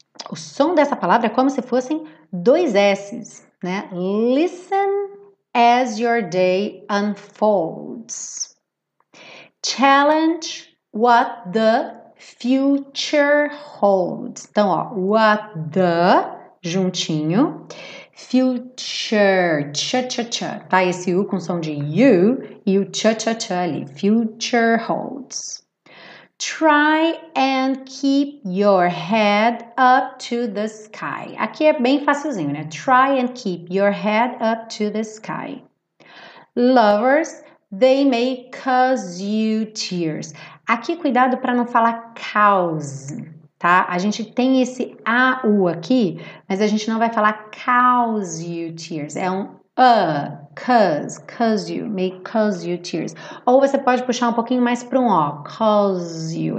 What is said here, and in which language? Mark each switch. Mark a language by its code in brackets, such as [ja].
[pt] O som dessa palavra é como se fossem dois S's, né? [en] Listen as your day unfolds. Challenge what the future holds. [pt] Então, ó, [en] what the [pt] juntinho. Future, cha-cha-cha, tá? Esse U com som de U e o cha-cha-cha ali. [en] Future holds. Try and keep your head up to the sky. [pt] Aqui é bem facilzinho, né? [en] Try and keep your head up to the sky. Lovers, they may cause you tears. [pt] Aqui, cuidado para não falar cause, tá? A gente tem esse AU aqui, mas a gente não vai falar [en] cause you tears. [pt] É um [en] cause you, may cause you tears. [pt] Ou você pode puxar um pouquinho mais para um O, [en] cause you.